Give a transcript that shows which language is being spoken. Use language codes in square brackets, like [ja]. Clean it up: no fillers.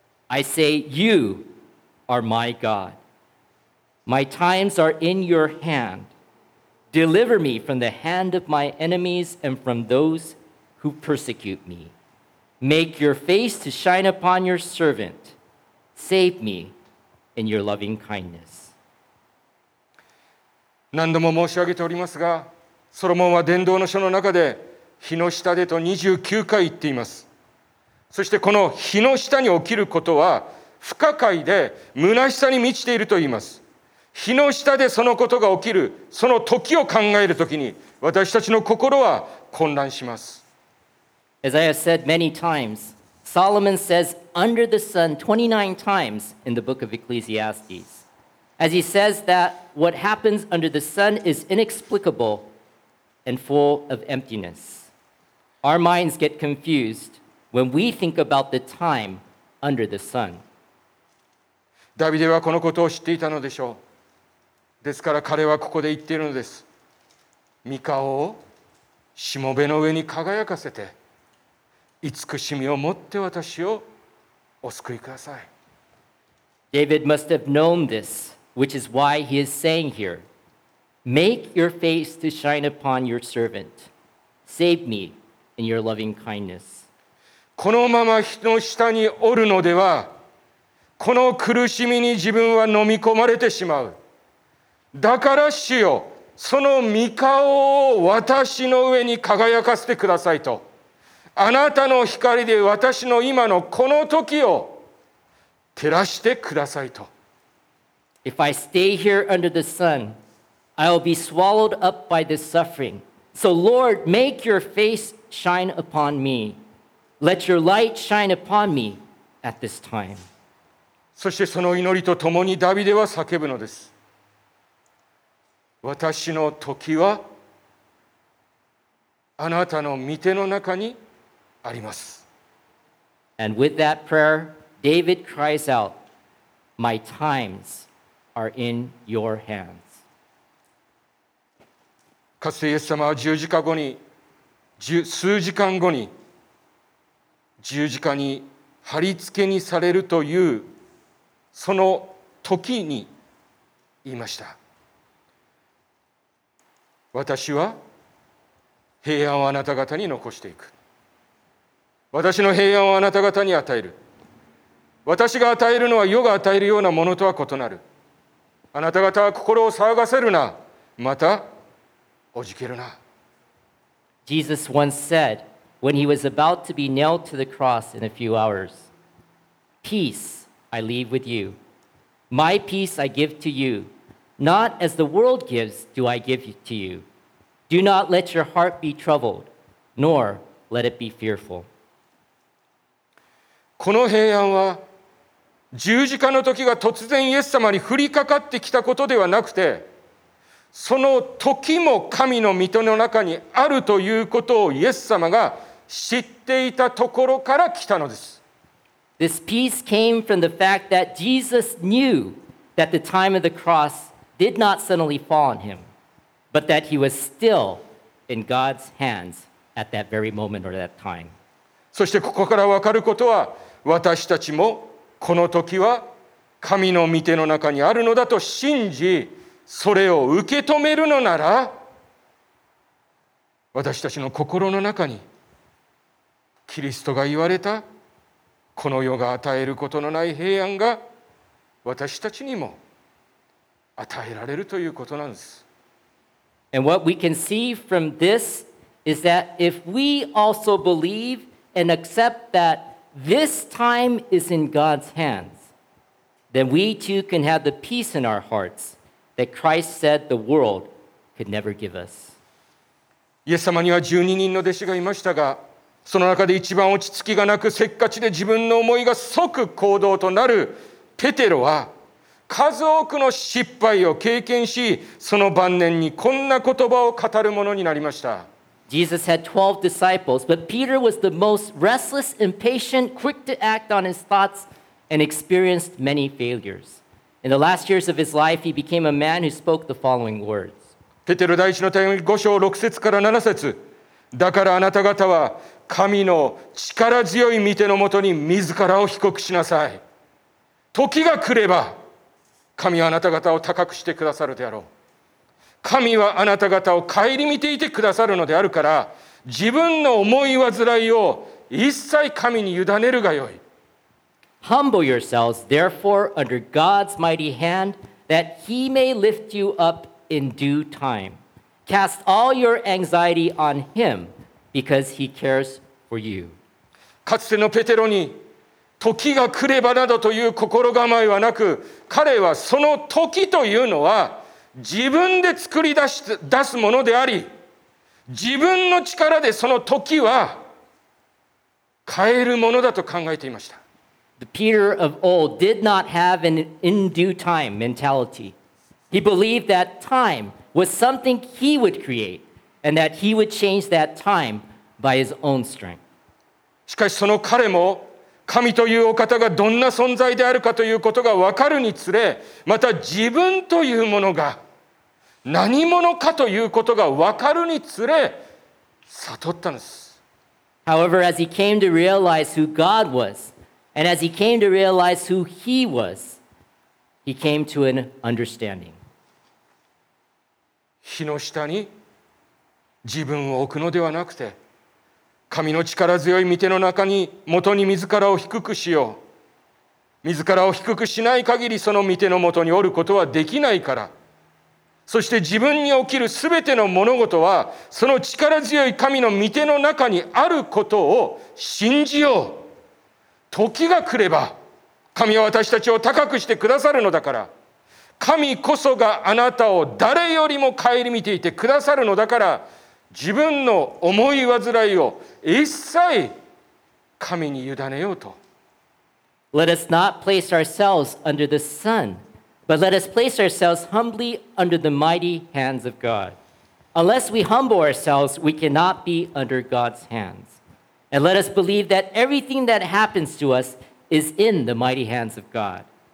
[en] I say, you are my God. My times are in your hand. Deliver me from the hand of my enemies and from those who persecute me. Make your face to shine upon your servant. Save me in your loving kindness. [ja] 何度も申し上げておりますが、ソロモンは伝道の書の中で日の下でと29回言っています。そしてこの日の下に起きることは不可解で虚しさに満ちていると言います。日の下でそのことが起きる、その時を考えるときに私たちの心は混乱します。 [en] As I have said many times, Solomon says under the sun 29 times in the book of Ecclesiastes. As he says that what happens under the sun is inexplicable and full of emptiness. Our minds get confused when we think about the time under the sun. [ja] ダビデはこのことを知っていたのでしょう。ですから彼はここで言っているのです。御顔をしもべの上に輝かせて、慈しみを持って私をお救いください。 [en] David must have known this, which is why he is saying here, Make your face to shine upon your servant. Save me in your loving kindness. [ja] このまま日の下におるのでは、この苦しみに自分は飲み込まれてしまう。だから主よ、その御顔を私の上に輝かせてくださいと。あなたの光で私の今のこの時を照らしてくださいと。 [en] If I stay here under the sun, I will be swallowed up by this suffering. So Lord, make your face shine upon me. Let your light shine upon me at this time. [ja] そしてその祈りとともにダビデは叫ぶのです。私の時はあなたの御手の中にあります。 [en] And with that prayer, David cries out, My times are in your hands. [ja] かつてイエス様は数時間後に十字架に貼り付けにされるというその時に言いました。私は平安をあなた方に残していく。私の平安をあなた方に与える。私が与えるのは世が与えるようなものとは異なる。あなた方は心を騒がせるな、またおじけるな。 [en] Jesus once said, when he was about to be nailed to the cross in a few hours, Peace I leave with you. My peace I give to you. Not as the world gives do I give to you. Do not let your heart be troubled, nor let it be fearful. [ja] この平安は十字架の時が突然イエス様に降りかかってきたことではなくて、その時も神の御手の中にあるということをイエス様が知っていたところから来たのです。 [en] This peace came from the fact that Jesus knew that the time of the cross did not suddenly fall on him, but that he was still in God's hands at that very moment or that time. [ja] そしてここから分かることは、私たちもこの時は神の御手の中にあるのだと信じ、それを受け止めるのなら、私たちの心の中にキリストが言われたこの世が与えることのない平安が私たちにも与えられるということなんです。 [en] And what we can see from this is that if we also believe and accept that this time is in God's hands, then we too can have the peace in our hearts that Christ said the world could never give us. [ja] イエス様には12人の弟子がいましたが、その中で一番落ち着きがなく、せっかちで自分の思いが即行動となるペテロは、数多くの失敗を経験し、その晩年にこんな言葉を語るものになりました。 [en] Jesus had 12 disciples, but Peter was the most restless, impatient, quick to act on his thoughts, and experienced many failures. In the last years of his life, he became a man who spoke the following words. [ja] ペテロ第一の手紙5章6節から7節。だからあなた方は、神の力強い御手のもとに自らを低くしなさい。時が来れば、神はあなた方を高くしてくださるであろう。神はあなた方を顧みていてくださるのであるから、自分の思い煩いを一切神に委ねるがよい。 [en] Humble yourselves, therefore, under God's mighty hand, that he may lift you up in due time. Cast all your anxiety on him, because he cares for you. [ja] かつてのペテロに、時が来ればなどという心構えはなく、彼はその時というのは自分で作り出すものであり、自分の力でその時は変えるものだと考えていました。 [en] The Peter of old did not have an in due time mentality. He believed that time was something he would create and that he would change that time by his own strength. [ja] しかしその彼も神というお方がどんな存在であるかということが分かるにつれ、また自分というものが何者かということが分かるにつれ、悟ったんです。 [en] However, as he came to realize who God was, and as he came to realize who he was, he came to an understanding. [ja] 日の下に自分を置くのではなくて、神の力強い御手の中に元に自らを低くしよう。自らを低くしない限り、その御手の元におることはできないから。そして自分に起きるすべての物事は、その力強い神の御手の中にあることを信じよう。時が来れば、神は私たちを高くしてくださるのだから。神こそがあなたを誰よりも顧みていてくださるのだから、自分の思い煩いを一切神に委ねようと。 [en] Let us not place ourselves under the sun, but let us place ourselves humbly under the mighty hands of God. Unless we humble ourselves, we cannot be under God's hands. And let us believe that everything that happens to us is in the mighty hands of God.